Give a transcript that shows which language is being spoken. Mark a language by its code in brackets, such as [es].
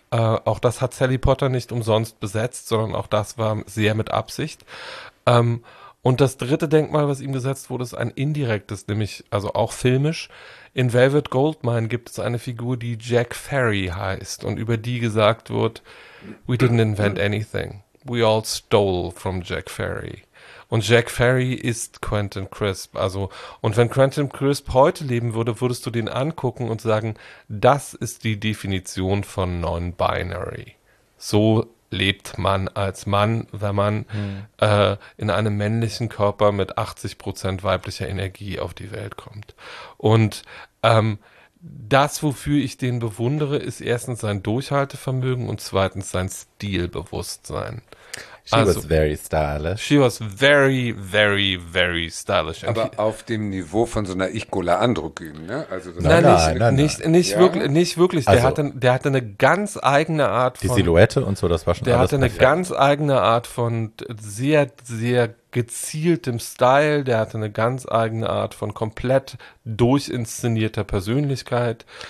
[de] Auch das hat Sally Potter nicht umsonst besetzt, sondern auch das war sehr mit Absicht. Und das dritte Denkmal, was ihm gesetzt wurde, ist ein indirektes, nämlich also auch filmisch. In Velvet Goldmine gibt es eine Figur, die Jack Ferry heißt und über die gesagt wird, [en] we didn't invent anything. We all stole from Jack Ferry. [de] Und Jack Ferry ist Quentin Crisp. Also, und wenn Quentin Crisp heute leben würde, würdest du den angucken und sagen, das ist die Definition von Non-Binary. So lebt man als Mann, wenn man in einem männlichen Körper mit 80% weiblicher Energie auf die Welt kommt. Und das, wofür ich den bewundere, ist erstens sein Durchhaltevermögen und zweitens sein Stilbewusstsein. [en] Was very stylish. She was very, very, very stylish. [de] Aber auf dem Niveau von so einer Ich-Gola-Andruck-Üben, ne? Also nein, nicht wirklich. Also, der hatte eine ganz eigene Art von. Die Silhouette und so, das war schon der alles. Der hatte eine ganz eigene Art von sehr, sehr gezieltem Style. Der hatte eine ganz eigene Art von komplett durchinszenierter Persönlichkeit.